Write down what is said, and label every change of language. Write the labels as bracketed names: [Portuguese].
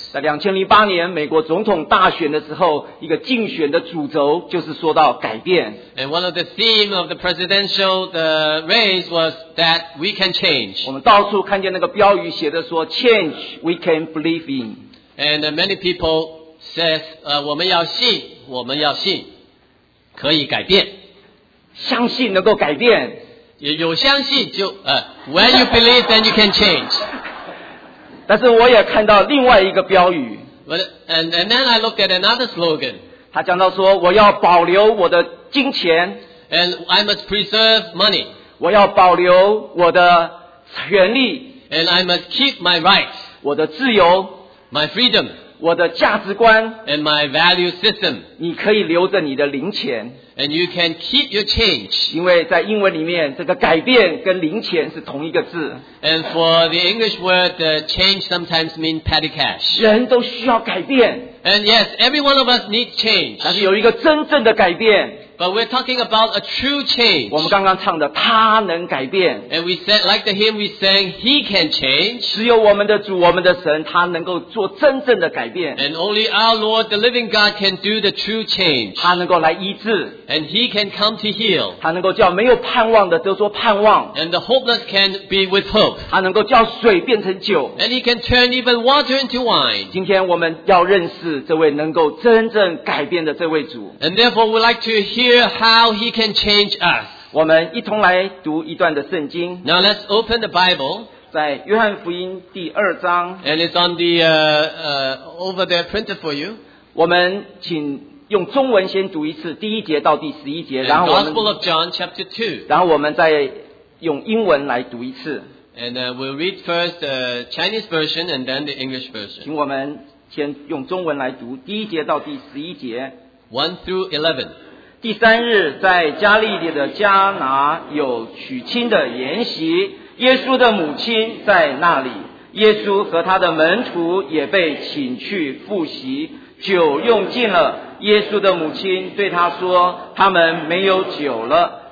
[Chinese] 在2008年美国总统大选的时候，一个竞选的主轴就是说到改变。 [English] And one of the theme of the presidential race was that we can change. [Chinese] 我们到处看见那个标语写的说 "Change we can believe in." And many people says, 我们要信，我们要信，可以改变，相信能够改变。 [English] 有相信就 When you believe, then you can change. [Chinese] 但是我也看到另外一个标语。 [English] And then I looked at another slogan. [Chinese] 他讲到说，我要保留我的金钱。 [English] And I must preserve money. [Chinese] 我要保留我的权利。 [English] And I must keep my rights. [Chinese] 我的自由。 [English] My freedom. [Chinese] 我的价值观。 [English] And my value system. [Chinese] 你可以留着你的零钱。 [English] And you can keep your change. [Chinese] 因为在英文里面，这个改变跟零钱是同一个字。 [English] And for the English word, the change sometimes means petty cash. [Chinese] 人都需要改变。 [English] And yes, every one of us needs change. [Chinese] 但是有一个真正的改变。 [English] But we're talking about a true change. [Chinese] 我们刚刚唱的他能改变。 [English] And we said, like the hymn we sang, he can change. [Chinese] 只有我们的主，我们的神，他能够做真正的改变。 [English] And only our Lord, the living God, can do the true change. [Chinese] 他能够来医治。 [English] And he can come to heal. [Chinese] 他能够叫没有盼望的都说盼望。 [English] And the hopeless can be with hope. [Chinese] 他能够叫水变成酒。 [English] And he can turn even water into wine. [Chinese] 今天我们要认识这位能够真正改变的这位主。 [English] And therefore we'd like to hear how he can change us. [Chinese] 我们一同来读一段的圣经。 [English] Now let's open the Bible. [Chinese] 在约翰福音第二章。 [English] And it's on the over there printed for you. [Chinese] 我们请用中文先读一次第一节到第十一节，然后我们 [English] Gospel of John chapter 2. [Chinese] 然后我们再用英文来读一次。 [English] And we'll read first the Chinese version and then the English version. [Chinese] 请我们先用中文来读第一节到第十一节。 1-11。第三日在加利利的迦拿有娶亲的筵席，耶稣的母亲在那里，耶稣和他的门徒也被请去赴席，酒用尽了，耶稣的母亲对他说，他们没有酒了。